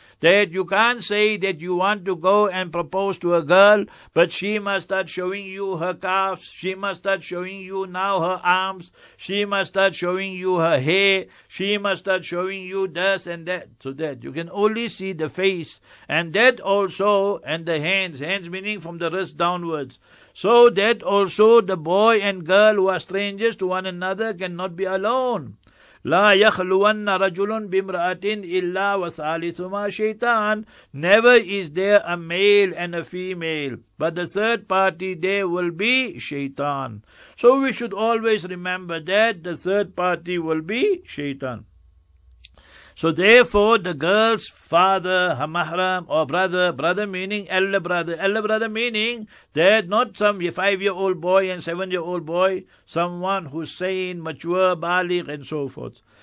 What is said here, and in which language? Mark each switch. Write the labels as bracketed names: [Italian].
[English] That you can't say that you want to go and propose to a girl, but she must start showing you her calves, she must start showing you now her arms, she must start showing you her hair, she must start showing you this and that. So that you can only see the face, and that also, and the hands, hands meaning from the wrist downwards. So that also, the boy and girl who are strangers to one another cannot be alone. [Arabic] لا يخلوان رجل بامرأة إلا وثالثهما شيطان. [English] Never is there a male and a female, but the third party there will be shaitan. So we should always remember that the third party will be shaitan. So therefore, the girl's father, her mahram, or brother, brother meaning elder brother meaning that not some 5-year-old boy and 7-year-old boy, someone who's sane, mature, baligh, and so forth.